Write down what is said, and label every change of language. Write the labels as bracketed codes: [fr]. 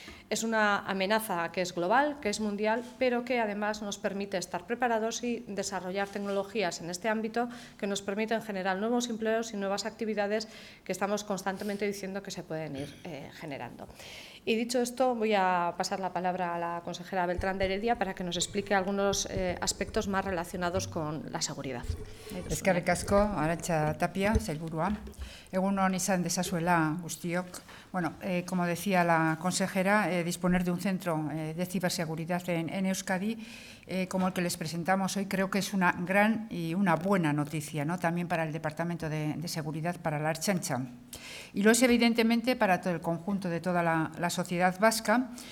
[es] Es una amenaza que es global, que es mundial, pero que además nos permite estar preparados y desarrollar tecnologías en este ámbito que nos permiten generar nuevos empleos y nuevas actividades que estamos constantemente diciendo que se pueden ir generando. Y dicho esto, voy a pasar la palabra a la consejera Beltrán de Heredia para que nos explique algunos aspectos más relacionados con la seguridad. [eu] Eskerrik asko, Arantxa Tapia, sailburua. Egunon izan dezazuela guztiok. [es] Bueno, como decía la consejera, disponer de un centro de ciberseguridad en Euskadi, como el que les presentamos hoy, creo que es una gran y una buena noticia, ¿no? También para el Departamento de Seguridad, para la Ertzaintza. Y lo es evidentemente para todo el conjunto de toda la sociedad vasca.